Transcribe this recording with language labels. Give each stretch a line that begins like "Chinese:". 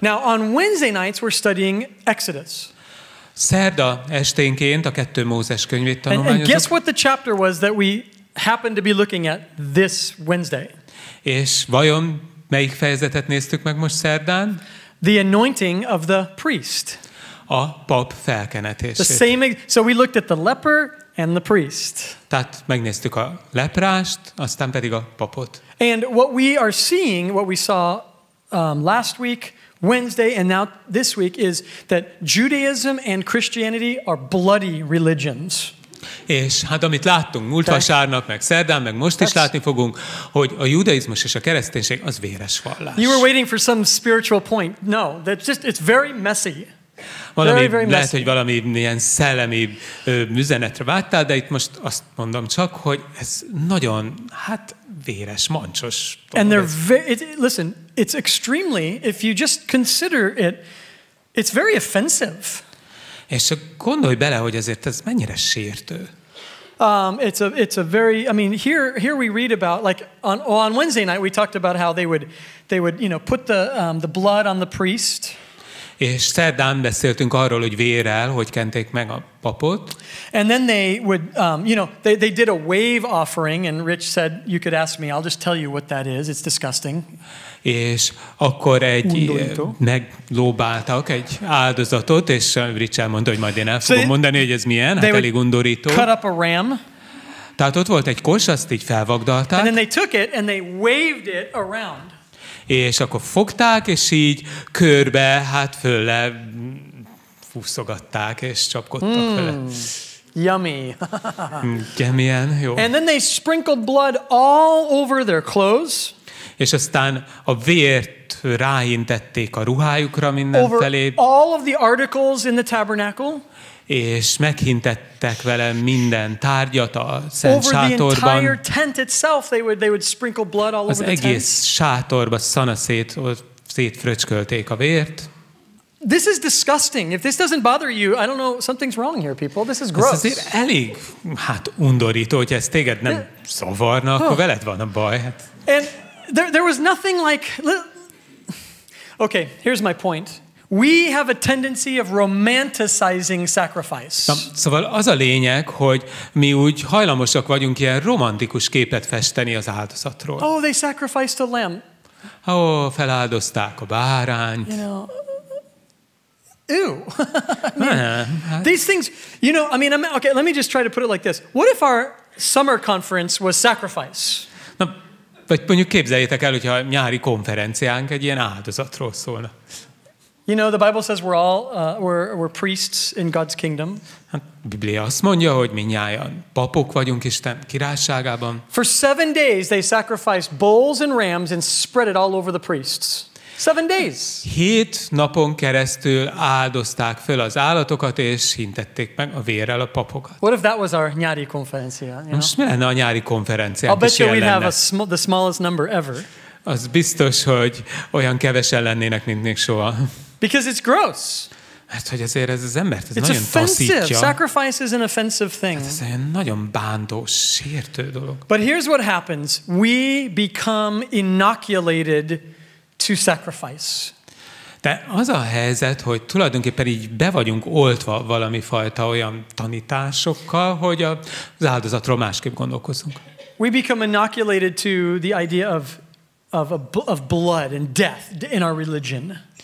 English: Now on Wednesday nights we're studying Exodus.
Hungarian: Szerda esténként a kettő Mózes könyvét tanulmányozunk.
English: And guess what the chapter was that we happened to be looking at this Wednesday.
Hungarian: És vajon melyik fejezetet néztük meg most szerdán?
English: The anointing of the priest.
Hungarian: A pap felkenetését.
English: The same. So we looked at the leper and the priest.
Hungarian: Tehát megnéztük a leprást, aztán pedig a papot.
English: And what we are seeing, what we saw last week, Wednesday, and now this week, is that Judaism and Christianity are bloody religions.
Hungarian: És hát amit láttunk múlt vasárnap, meg szerdán, meg most is látni fogunk, hogy a judaizmus és a kereszténység az véres vallás.
English: You were waiting for some spiritual point. No, that's just, it's very messy.
Hungarian: Valami,
English: very, very messy.
Hungarian: Lehet, hogy valami ilyen szellemi üzenetre vágtál, de itt most azt mondom csak, hogy ez nagyon, hát véres, mancsos.
English: And they're listen, it's extremely, if you just consider it, it's very offensive.
Hungarian: És gondolj bele, hogy azért ez mennyire sértő.
English: Here we read about like on Wednesday night we talked about how they would you know put the blood on the priest.
Hungarian: És szerdán beszéltünk arról, hogy vérrel, hogy kenték meg a papot.
English: And then they would they did a wave offering and Rich said you could ask me, I'll just tell you what that is. It's disgusting.
Hungarian: És akkor egy meglóbáltak egy áldozatot, és Rich elmondta, hogy majd én el fogom mondani, hogy ez milyen, hát elég undorító.
English: Cut up a ram.
Hungarian: Tehát ott volt egy kos, azt így felvagdalták.
English: And then they took it and they waved it around.
Hungarian: És akkor fogták, és így körbe, hát fölle fúszogatták, és csapkodtak fölle.
English: Yummy.
Hungarian: Gemilyen, jó.
English: And then they sprinkled blood all over their clothes.
Hungarian: És aztán a vért ráintették a ruhájukra mindenfelé.
English: Over all of the articles in the tabernacle.
Hungarian: És meghintettek vele minden tárgyat a szent sátorban.
English: Over the entire tent itself, they would sprinkle blood all over the tent.
Hungarian: Az egész sátorba szétfröcskölték a vért.
English: This is disgusting. If this doesn't bother you, I don't know, something's wrong here, people. This is gross.
Hungarian: Ez azért elég, hát undorító, hogyha ez téged nem szavarna, akkor veled van a baj.
English: And there was nothing like... Okay, here's my point. We have a tendency of romanticizing sacrifice.
Hungarian: Na, szóval az a lényeg, hogy mi úgy hajlamosak vagyunk ilyen romantikus képet festeni az áldozatról.
English: Oh, they sacrificed a lamb.
Hungarian: Oh, feláldozták a bárányt.
English: You know, ew. These things, you know, I mean, okay, let me just try to put it like this. What if our summer conference was sacrifice?
Hungarian: Na, vagy mondjuk képzeljétek el, hogyha a nyári konferenciánk egy ilyen áldozatról szólna.
English: You know, the Bible says we're all we're priests in God's kingdom.
Hungarian: A Biblia azt mondja, hogy mindnyájan papok vagyunk Isten királyságában.
English: For 7 days they sacrificed bulls and rams and spread it all over the priests. 7 days.
Hungarian: 7 napon keresztül áldozták föl az állatokat és hintették meg a vérrel a papokat.
English: What if that was our
Hungarian: nyári konferencia?
English: You know?
Hungarian: Most mi lenne a nyári konferenciánk?
English: I'll bet you we'd have the smallest number ever.
Hungarian: Az biztos, hogy olyan kevesen lennének, mint még soha.
English: Because it's gross.
Hungarian: Hát, hogy azért ez az embert, ez
English: it's
Hungarian: nagyon
English: offensive.
Hungarian: Taszítja.
English: Sacrifice is an offensive thing.
Hungarian: Hát ez egy nagyon bántó, sértő dolog.
English: But here's what happens. We become inoculated to sacrifice.
Hungarian: De az a helyzet, hogy tulajdonképpen így be vagyunk oltva valami fajta olyan tanításokkal, hogy az áldozatról másképp gondolkozunk.
English: We become inoculated to the idea of blood and death in our religion.